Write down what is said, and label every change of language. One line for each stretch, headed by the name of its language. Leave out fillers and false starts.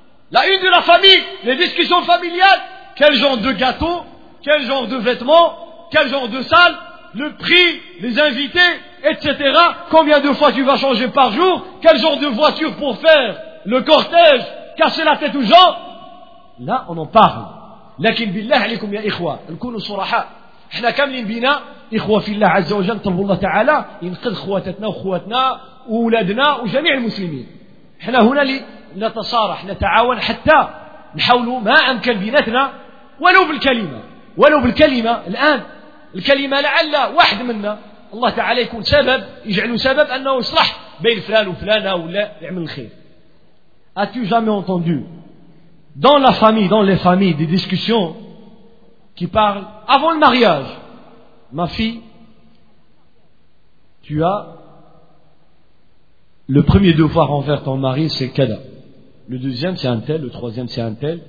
French: La une de la famille, les discussions familiales. Quel genre de gâteau? Quel genre de vêtements? Quel genre de salle? Le prix, les invités, etc. Combien de fois tu vas changer par jour? Quel genre de voiture pour faire le cortège? Casser la tête aux gens? Là, on en parle.
Arabic: لكن بالله عليكم يا إخوة نكونوا صراحة إحنا كاملين بينا إخوة في الله عز وجل طلب الله تعالى ينقذ خواتنا وخواتنا وولادنا وجميع المسلمين. إحنا هنا لنتصارح نتعاون حتى نحاول ما أمكن بيناتنا ولو بالكلمة. الآن الكلمة لعل واحد منا الله تعالى يكون سبب يجعله سبب أنه يصلح بين فلان وفلانة ولا يعمل الخير.
French: As-tu jamais entendu dans la famille, dans les familles, des discussions qui parlent avant le mariage? Ma fille, tu as le premier devoir envers ton mari, c'est Kada. Le deuxième, c'est un tel. Le troisième, c'est un tel.